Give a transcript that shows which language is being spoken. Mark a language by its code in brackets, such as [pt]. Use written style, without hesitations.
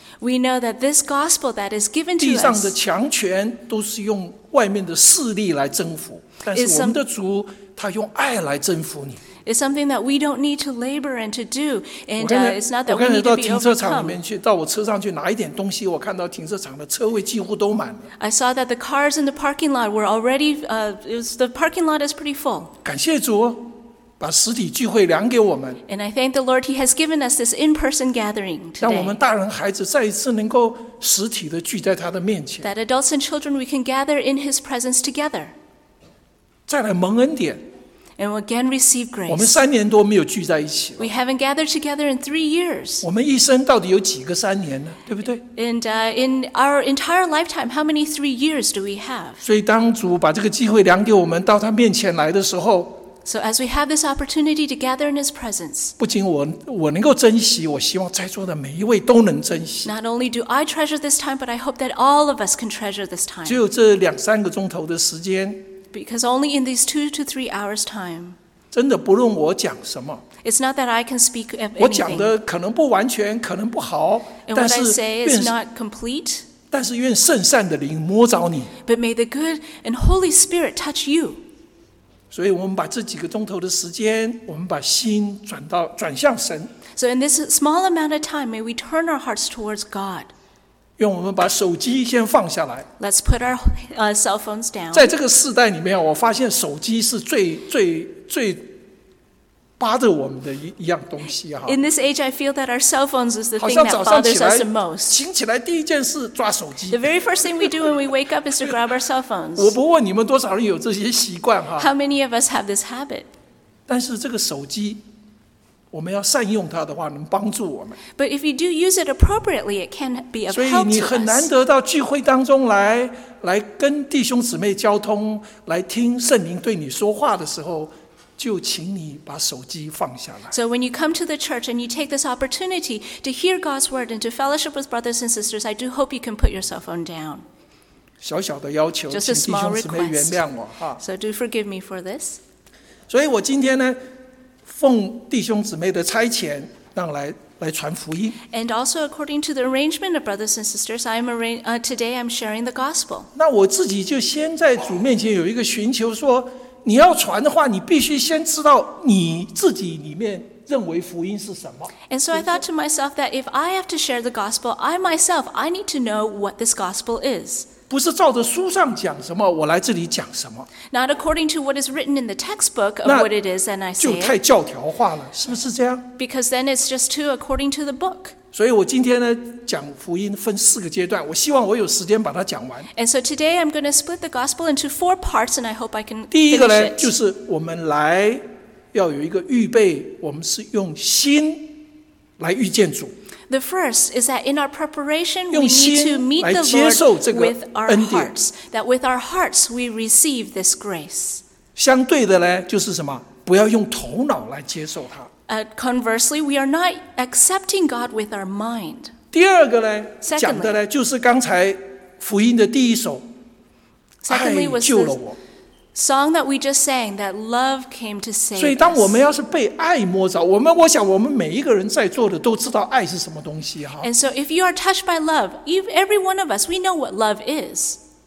[en] We know that this gospel that is given to us [zh] 地上的强权都是用外面的势力来征服但是我们的主他用爱来征服你 [en] It's something that we don't need to labor and to do. And it's not that we need to be overcome. [zh] 我刚才到停车场里面去，到我车上去拿一点东西，我看到停车场的车位几乎都满了。 [en] I saw that the cars in the parking lot were already, the parking lot is pretty full. [zh] 感谢主，把实体聚会量给我们。 [en] And I thank the Lord He has given us this in-person gathering today. [zh] 让我们大人孩子再一次能够实体的聚在他的面前。 [en] That adults and children we can gather in His presence together. [zh] 再来蒙恩典。 [en] And again receive grace. [zh] 我们三年多没有聚在一起了。 [en] We haven't gathered together in 3 years. [zh] 我们一生到底有几个三年呢？对不对 [en] ？And in our entire lifetime, how many 3 years do we have? [zh] 所以当主把这个机会量给我们到他面前来的时候 [en] ，So as we have this opportunity to gather in His presence, [zh] 不仅我能够珍惜，我希望在座的每一位都能珍惜。 [en] Not only do I treasure this time, but I hope that all of us can treasure this time. [zh] 只有这两三个钟头的时间。 [en] Because only in these 2 to 3 hours' time, [zh] 真的不论我讲什么 [en] it's not that I can speak anything. [zh] 我讲的可能不完全，可能不好，但是 [en] And what I say is not complete. [zh] 但是愿圣善的灵摸着你 [en] But may the good and Holy Spirit touch you. [zh] 所以我们把这几个钟头的时间，我们把心转向神 [en] So in this small amount of time, may we turn our hearts towards God. [zh] 愿我们把手机先放下来。 [en] Let's put our cell phones down. [zh] 在这个世代里面，我发现手机是最最最扒着我们的一样东西啊。 [en] In this age, I feel that our cell phones is the thing that bothers us the most. [zh] 醒起来第一件事抓手机。 [en] The very first thing we do when we wake up is to grab our cell phones. [zh] 我不问你们多少人有这些习惯啊。 [en] How many of us have this habit? [zh] 但是这个手机，我们要善用它的话，能帮助我们。 [en] But if you do use it appropriately, it can be of help to us. [zh] 所以你很难得到聚会当中来跟弟兄姊妹交通，来听圣灵对你说话的时候，就请你把手机放下来。 [en] So when you come to the church and you take this opportunity to hear God's word and to fellowship with brothers and sisters, I do hope you can put your cell phone down. [zh] 小小的要求，请弟兄姊妹原谅我哈。 [en] So do forgive me for this. [zh] 所以我今天呢，奉弟兄姊妹的差遣，让来传福音。 [en] And also according to the arrangement of brothers and sisters, today I'm sharing the gospel. [zh] 那我自己就先在主面前有一个寻求说，你要传的话，你必须先知道你自己里面认为福音是什么。 [en] And so I thought to myself that if I have to share the gospel, I need to know what this gospel is. [zh] 不是照着书上讲什么，我来这里讲什么。 [en] Not according to what is written in the textbook of what it is, and I say. [zh] 就太教条化了，是不是这样？ [en] Because then it's just too according to the book. [zh] 所以我今天呢，讲福音分四个阶段，我希望我有时间把它讲完。 [en] And so today I'm going to split the gospel into four parts, and I hope I can finish it. [zh] 第一个呢，就是我们来要有一个预备，我们是用心来遇见主。 [en] The first is that in our preparation, we need to meet the Lord with our hearts. That with our hearts, we receive this grace. [zh] 相对的呢，就是什么？不要用头脑来接受它。 [en] Conversely, we are not accepting God with our mind. [zh] 第二个呢，讲的呢，就是刚才福音的第一首，爱救了我。 [en] Song that we just sang, that love came to save us. [zh] 所以当我们要是被爱摸着，我想我们每一个人在座的都知道爱是什么东西哈。 [en] And so if you are touched by love, every one of us, we know what love is.